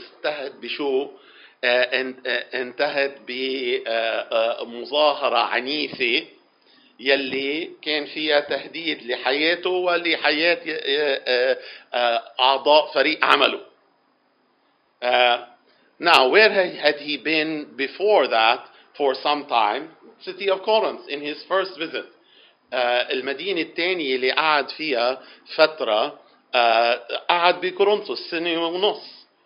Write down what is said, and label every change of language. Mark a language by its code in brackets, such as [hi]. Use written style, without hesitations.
[ar] انتهت بشو؟ انتهت بمظاهرة عنيفة يلي كان فيها تهديد لحياته ولحياة أعضاء فريق عمله. [en] Now, where had he been before that for some time? City of Corinth, in his first visit. [ar] المدينة الثانية اللي قعد فيها فترة قعد بكورنثوس سنة ونص.